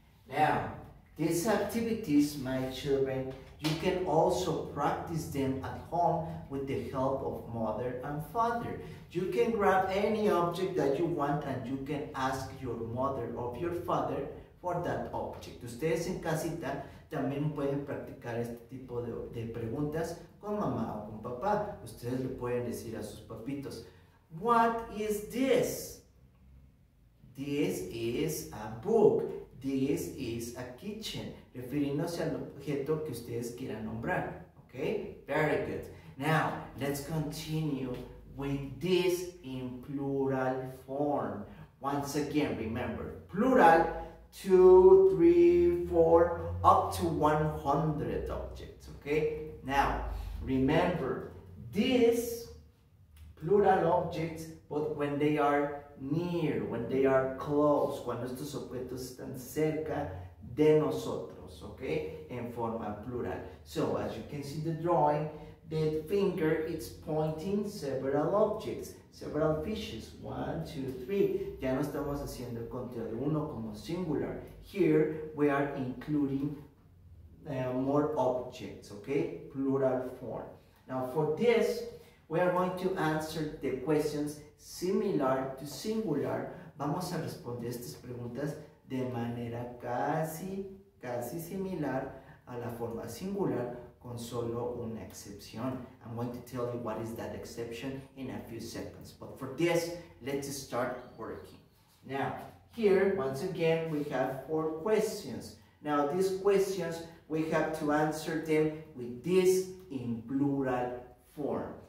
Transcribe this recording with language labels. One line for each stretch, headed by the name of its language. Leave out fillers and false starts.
English: Now, these activities, my children, you can also practice them at home with the help of mother and father. You can grab any object that you want and you can ask your mother or your father for that object.
Spanish: Ustedes en casita también pueden practicar este tipo de preguntas con mamá o con papá. Ustedes le pueden decir a sus papitos,
English: what is this? This is a book. This is a kitchen,
Spanish: refiriéndose al objeto que ustedes quieran nombrar,
English: okay? Very good. Now, let's continue with this in plural form. Once again, remember, plural, 2, 3, 4, up to 100 objects, okay? Now, remember, this plural objects, but when they are near, when they are close,
Spanish: cuando estos objetos están cerca de nosotros,
English: okay,
Spanish: en forma plural.
English: So, as you can see the drawing, the finger is pointing several objects, several fishes, 1, 2, 3.
Spanish: Ya no estamos haciendo el conteo de uno como singular.
English: Here, we are including more objects, okay, plural form. Now for this, we are going to answer the questions similar to singular.
Spanish: Vamos a responder estas preguntas de manera casi similar a la forma singular con solo una excepción.
English: I'm going to tell you what is that exception in a few seconds. But for this, let's start working. Now, here, once again, we have four questions. Now, these questions, we have to answer them with this in plural form.